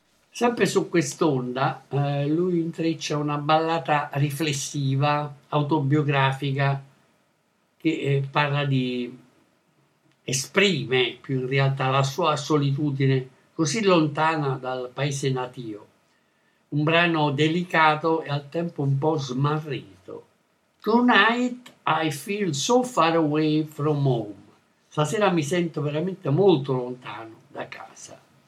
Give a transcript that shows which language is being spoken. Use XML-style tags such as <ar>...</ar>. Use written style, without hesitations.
<it>Sempre su quest'onda, lui intreccia una ballata riflessiva, autobiografica, che parla di, esprime più in realtà la sua solitudine così lontana dal paese natio. Un brano delicato e al tempo un po' smarrito.</it> <en>Tonight I feel so far away from home.</en> <it>Stasera mi sento veramente molto lontano da casa.</it>